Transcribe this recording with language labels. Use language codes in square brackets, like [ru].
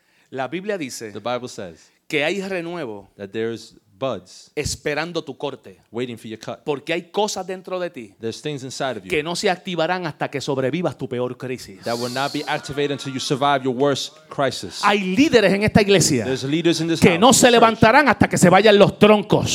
[es] La Biblia dice, [en] the Bible says, [es] que hay renuevo, [en] that there's buds, [es] esperando tu corte, [en] waiting for your cut. [es] Porque hay cosas dentro de ti, [en] there's things inside of you, [es] que no se activarán hasta que sobrevivas tu peor crisis, [en] that will not be activated until you survive your worst crisis. [es] Hay líderes en esta iglesia, [en] there's leaders in this [es] que [en] house, [es] no se levantarán church, hasta que se vayan los troncos,